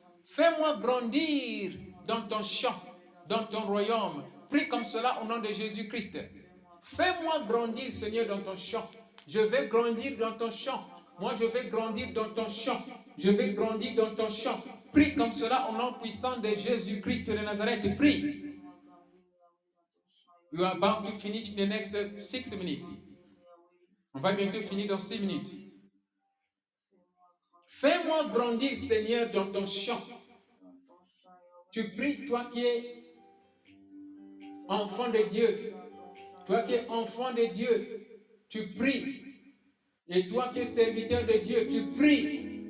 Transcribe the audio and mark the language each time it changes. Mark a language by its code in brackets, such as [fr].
[fr] Fais-moi grandir dans ton champ, dans ton royaume. Prie comme cela au nom de Jésus-Christ. Fais-moi grandir, Seigneur, dans ton champ. Je vais grandir dans ton champ. Moi, je vais grandir dans ton champ. Je vais grandir dans ton champ. Prie comme cela au nom puissant de Jésus-Christ de Nazareth. Prie. [en] You are about to finish in the next 6 minutes. [fr] On va bientôt finir dans 6 minutes. Fais-moi grandir, Seigneur, dans ton champ. Tu pries, toi qui es enfant de Dieu. Toi qui es enfant de Dieu, tu pries. Et toi qui es serviteur de Dieu, tu pries.